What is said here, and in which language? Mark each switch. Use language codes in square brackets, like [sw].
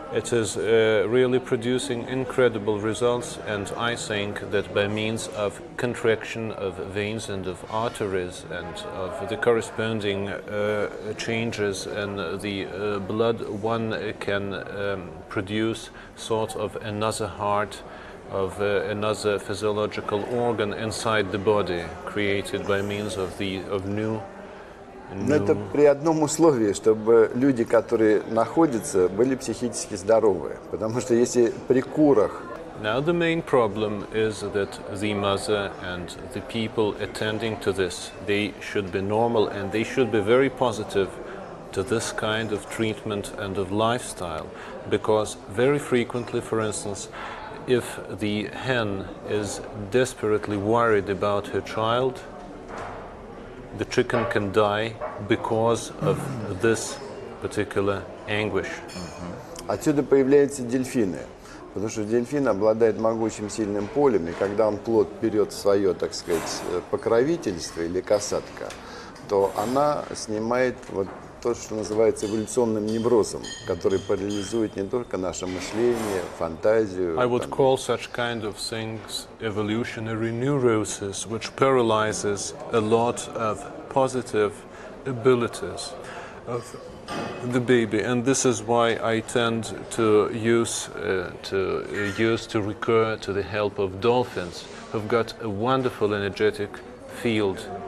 [en] It is really producing incredible results, and I think that by means of contraction of veins and of arteries and of the corresponding changes in the blood, one can produce sort of another heart, of another physiological organ inside the body, created by means of new. [ru] Но это при одном условии, чтобы люди, которые находятся, были психически здоровы, потому что если при курах. [en] Now the main problem is that the mother and the people attending to this, they should be normal and they should be very positive to this kind of treatment and of lifestyle, because very frequently, for instance, if the hen is desperately worried about her child, the chicken can die because of this particular anguish. [ru] Отсюда появляются дельфины, потому что дельфин обладает могучим сильным полем, и когда он плод берет в свое, так сказать, покровительство или касатка, то она снимает вот то, что называется эволюционным неврозом, который парализует не только наше мышление, фантазию. [en] I would call such kind of things evolutionary neurosis, which paralyzes a lot of positive abilities of the baby, and this is why I tend to recur to the help of dolphins, who've got a wonderful energetic field.